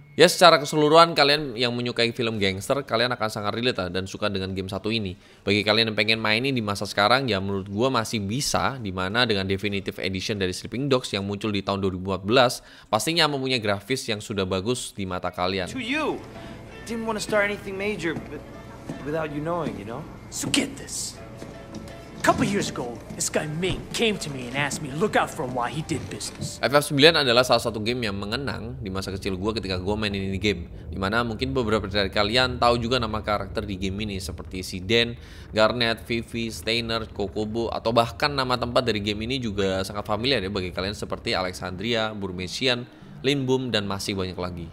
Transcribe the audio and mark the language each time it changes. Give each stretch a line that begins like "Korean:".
Indonesian: Ya secara keseluruhan, kalian yang menyukai film gangster, kalian akan sangat relate lah dan suka dengan game satu ini. Bagi kalian yang pengen mainin di masa sekarang, ya menurut gua masih bisa, dimana dengan definitive edition dari Sleeping Dogs yang muncul di tahun 2014, pastinya mempunyai grafis yang sudah bagus di mata kalian.
English: To you, didn't want to start anything major, but without you knowing, you know? So get this. Couple years ago, this guy Ming came to me and asked me look out for why he did business.
Indonesian: FF9 adalah salah satu game yang mengenang di masa kecil gua ketika gua mainin ini game. Dimana mungkin beberapa dari kalian tahu juga nama karakter di game ini seperti si Dan, Garnet, Vivi, Steiner, Kokobo, atau bahkan nama tempat dari game ini juga sangat familiar ya bagi kalian seperti Alexandria, Burmesian, Limbum, dan masih banyak lagi.